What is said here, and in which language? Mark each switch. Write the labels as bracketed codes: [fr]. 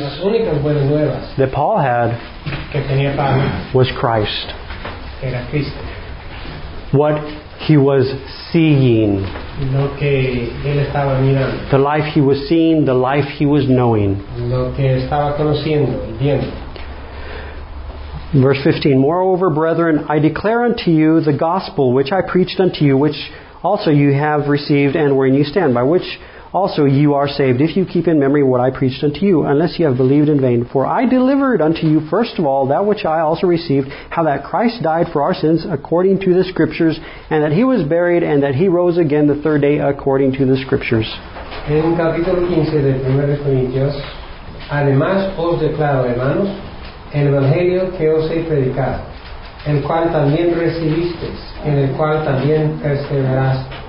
[es] Las únicas buenas nuevas. [en] That Paul had. [es] Que tenía Pablo. [en] Was Christ. [es] Era Cristo. [en] What he was seeing. [es] Lo que él estaba mirando. [en] The life he was seeing, the life he was knowing. [es] Lo que estaba conociendo, viendo. [en] Verse 15, moreover, brethren, I declare unto you the gospel which I preached unto you, which also you have received and wherein you stand, by which also you are saved, if you keep in memory what I preached unto you, unless you have believed in vain. For I delivered unto you, first of all, that which I also received, how that Christ died for our sins according to the Scriptures, and that he was buried, and that he rose again the third day according to the Scriptures. [es] En capítulo 15 de 1 Corintios, además os declaro, hermanos, el evangelio que os he predicado, el cual también recibisteis, en el cual también perseveráis,